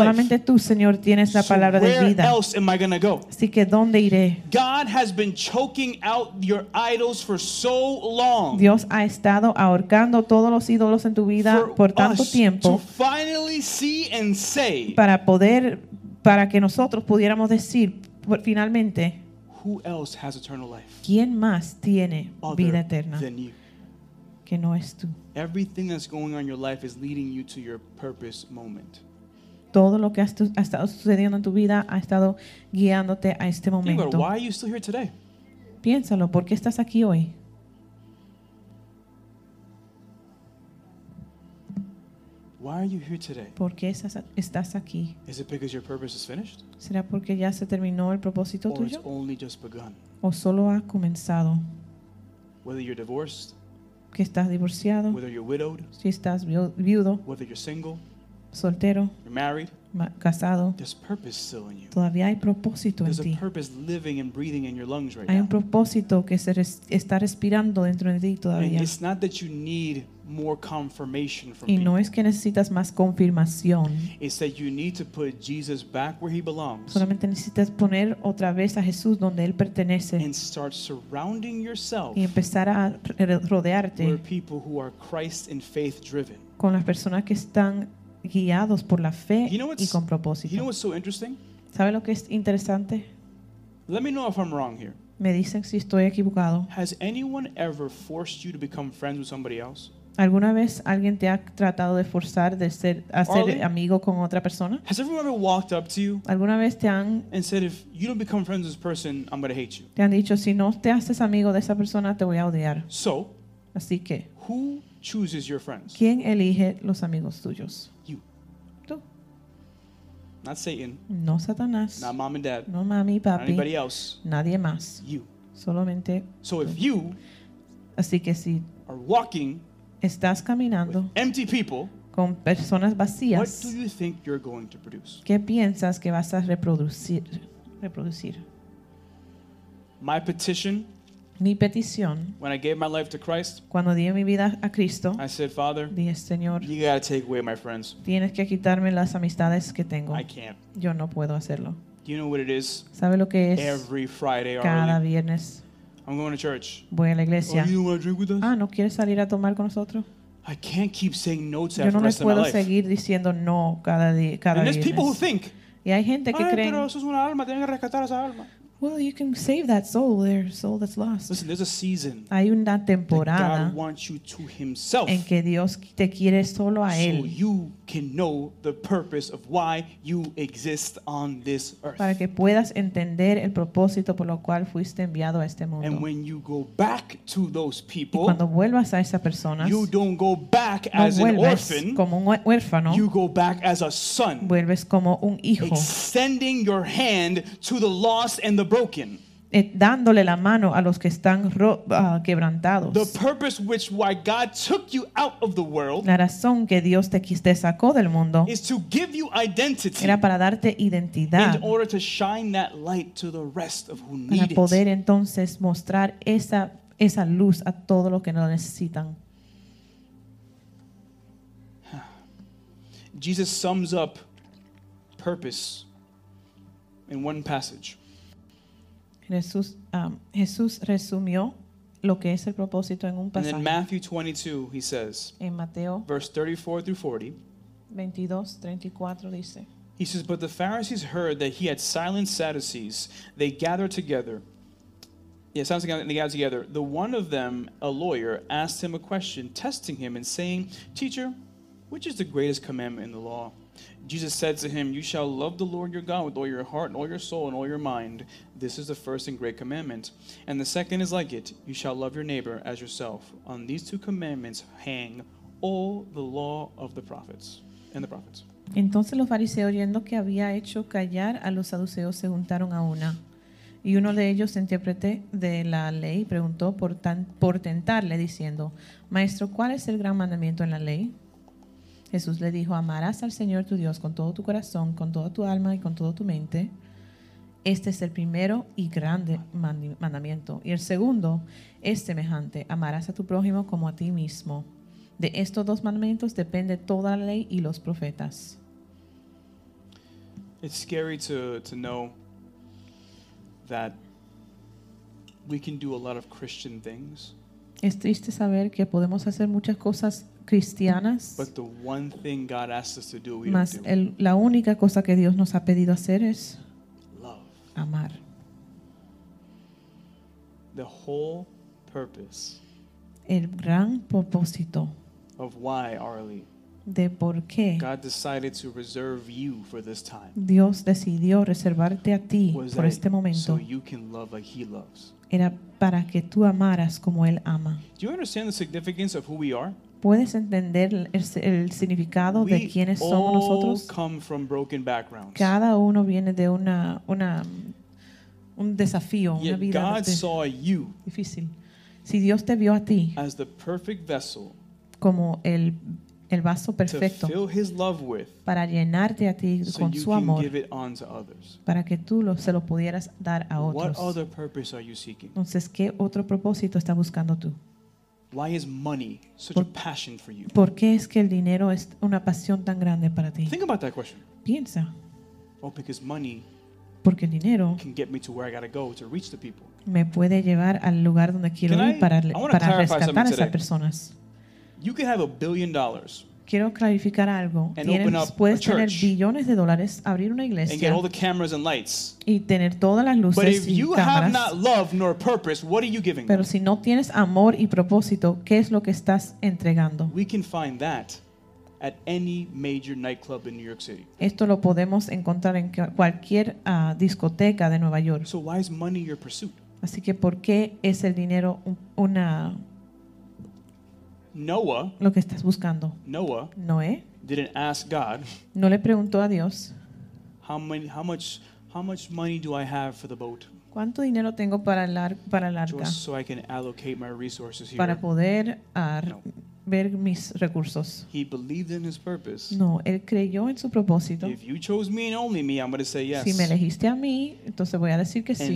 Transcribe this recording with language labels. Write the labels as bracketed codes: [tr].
[es] Pero solamente tú, Señor, tienes la palabra de vida. [en] Where else am I going to go? [es] Así que ¿dónde iré? [en] God has been choking out your idols for so long. [es] Dios ha estado ahorcando todos los ídolos en tu vida por tanto tiempo. [en] To finally see and say, [es] para que nosotros pudiéramos decir finalmente, [en] who else has eternal life? [es] ¿Quién más tiene [en] other [es] vida eterna [en] than you? [es] Que no es tú. [en] Everything that's going on in your life is leading you to your purpose moment. [es] Todo lo que ha estado sucediendo en tu vida ha estado guiándote a este momento. [en] Think about it. Why are you still here today? [es] Piénsalo, ¿por qué estás aquí hoy? [en] Why are you here today? [es] ¿Por qué estás aquí? [en] Is it because your purpose is finished? [es] ¿Será porque ya se terminó el propósito tuyo? [en] Or it's only just begun? [es] ¿O solo ha comenzado? [en] Whether you're divorced? [es] ¿Que estás divorciado? [en] Whether you're widowed? [es] ¿Si estás viudo? [en] Whether you're single? [es] ¿Soltero? [en] You're married? [es] Casado. [en] There's purpose still in you. [es] Todavía hay propósito [en] There's [es] en ti. [en] There's a purpose living and breathing in your lungs right [es] hay Hay un propósito que se está respirando dentro de ti todavía. [en] And it's not that you need more confirmation from [es] y no [en] people. [es] Es que necesitas más confirmación. [en] It's that you need to put Jesus back where he belongs. [es] Solamente necesitas poner otra vez a Jesús donde él pertenece. [en] And start surrounding yourself [es] y empezar a rodearte [en] with people who are Christ and faith driven. [es] Con las personas que están guiados por la fe y con propósito. [en] You know what's so interesting? [es] ¿Sabe lo que es interesante? [en] Let me know if I'm wrong here. [es] Me dicen si estoy equivocado. [en] Has anyone ever forced you to become friends with somebody else? [es] ¿Alguna vez alguien te ha tratado de forzar de ser hacer amigo con otra persona? [en] Has everyone ever walked up to you? [es] ¿Alguna vez te han [en] and said if you don't become friends with this person, I'm going to hate you? [es] Te han dicho si no te haces amigo de esa persona te voy a odiar. [en] So, [es] así que [en] who chooses your friends? [es] ¿Quién elige los amigos tuyos? [en] You. [es] Tú. [en] Not Satan. [es] No Satanás. [en] Not mom and dad. [es] No mami y papi. [en] Not anybody else. [es] Nadie más. [en] You. [es] Solamente. [en] So [es] tú. [en] If you, [es] así que si [en] are walking. [es] Estás caminando [en] with empty people, [es] con personas vacías. [en] What do you think you're going to produce? [es] ¿Qué piensas que vas a reproducir? [en] My petition, [es] mi petición, [en] when I gave my life to Christ, [es] cuando di mi vida a Cristo, [en] I said, Father, [es] dije, Señor, [en] you gotta take away my friends. [es] Tienes que quitarme las amistades que tengo. [en] I can't. [es] Yo no puedo hacerlo. [en] Do you know what it is? [es] ¿Sabe lo que es? [en] Every Friday, [es] cada [en] early. [es] Viernes. [en] I'm going to church. [es] Voy a la iglesia. [en] Oh, you don't want to drink with us? [es] Ah, ¿no quieres salir a tomar con nosotros? [en] I can't keep saying no to [es] yo no les puedo seguir diciendo no cada día. Cada [en] and there's people who think, [es] y hay gente que cree. Pero eso es una alma, tienes que rescatar esa alma. [en] Well, you can save that soul. There's a soul that's lost. Listen, there's a season. [es] Hay una temporada [en] that God wants you to himself. [es] En que Dios te quiere solo a él. [en] So you can know the purpose of why you exist on this earth. [es] Para que puedas entender el propósito por lo cual fuiste enviado a este mundo. [en] And when you go back to those people, [es] y cuando vuelvas a esas personas, [en] you don't go back [es] no [en] as an orphan. [es] Como un huérfano. [en] You go back as a son. [es] Vuelves como un hijo. [en] Extending your hand to the lost and the broken. [es] dándole la mano a los que están quebrantados. [en] The purpose which why God took you out of the world, [es] la razón que Dios te sacó del mundo, [en] is to give you identity, [es] era para darte identidad, [en] in order to shine that light to the rest of who need it, [es] para poder entonces mostrar esa luz a todos los que lo necesitan. [en] Jesus sums up purpose in one passage. [es] Jesús resumió lo que es el propósito en un pasaje. [en] And in Matthew 22, he says, [es] en Mateo, [en] verse 34-40, he says, but the Pharisees heard that he had silenced Sadducees. They gathered together. Yeah, sounds like they gathered together. The one of them, a lawyer, asked him a question, testing him and saying, teacher, which is the greatest commandment in the law? Jesus said to him, you shall love the Lord your God with all your heart and all your soul and all your mind. This is the first and great commandment. And the second is like it. You shall love your neighbor as yourself. On these two commandments hang all the law of the prophets and the prophets. [es] Entonces los fariseos, oyendo que había hecho callar a los saduceos, se juntaron a una. Y uno de ellos, intérprete de la ley, preguntó por tentarle, diciendo, maestro, ¿cuál es el gran mandamiento en la ley? Jesús le dijo, amarás al Señor tu Dios con todo tu corazón, con toda tu alma y con toda tu mente. Este es el primero y grande mandamiento. Y el segundo es semejante, amarás a tu prójimo como a ti mismo. De estos dos mandamientos depende toda la ley y los profetas. [en] It's scary to know that we can do a lot of Christian things. [es] Es triste saber que podemos hacer muchas cosas cristianas. [en] But the one thing God asks us to do, we [es] mas [en] don't do. [es] La única cosa que Dios nos ha pedido hacer es [en] love. [es] Amar. [en] The whole purpose. [es] El gran propósito. [en] Of why, Arlie? [es] De por qué. [en] God decided to reserve you for this time. [es] Dios decidió reservarte a ti por este momento. [en] So you can love like He loves. [es] Era para que tú amaras como Él ama. [en] Do you understand the significance of who we are? [es] ¿Puedes entender el significado [en] we [es] de quiénes somos nosotros? [en] Come from broken backgrounds. [es] Cada uno viene de un desafío, [en] yet [es] una vida [en] God saw you [es] difícil. Si Dios te vio a ti [en] as the perfect vessel [es] como el vaso perfecto [en] to fill His love with, [es] para llenarte a ti [en] so [es] con [en] you [es] su [en] can [es] amor [en] give it on to others. [es] Para que tú se lo pudieras dar a otros. [en] What other purpose are you seeking? [es] Entonces, ¿qué otro propósito estás buscando tú? [en] Why is money such a passion for you? [es] ¿Por qué es que el dinero es una pasión tan grande para ti? [en] Think about that question. [es] Piensa. [en] Oh, because money. [es] Porque el dinero [en] can get me to where I gotta go to reach the people. [es] Me puede llevar al lugar donde quiero ir para rescatar a esas personas. [en] You can have $1 billion. [es] Quiero clarificar algo. Puedes tener billones de dólares, abrir una iglesia [en] and get all the cameras and lights. [es] Y tener todas las luces y cámaras. [en] But if you have not love nor purpose, what are you giving? [es] Pero si no tienes amor y propósito, ¿qué es lo que estás entregando? [en] We can find that at any major nightclub in New York City. [es] Esto lo podemos encontrar en cualquier discoteca de Nueva York. [en] So why is money your pursuit? [es] Así que ¿por qué es el dinero una [en] Noah, [es] lo que estás buscando. [en] Noah, [es] Noé, [en] didn't ask God. [es] No le preguntó a Dios. [en] How much money do I have for the boat? [es] ¿Cuánto dinero tengo para el arca? [en] So I can allocate my resources here. [es] Para poder ver mis recursos. [en] He believed in his purpose. [es] No, él creyó en su propósito. [en] If you chose me and only me, I'm going to say yes. [es] Si me elegiste a mí, entonces voy a decir que sí.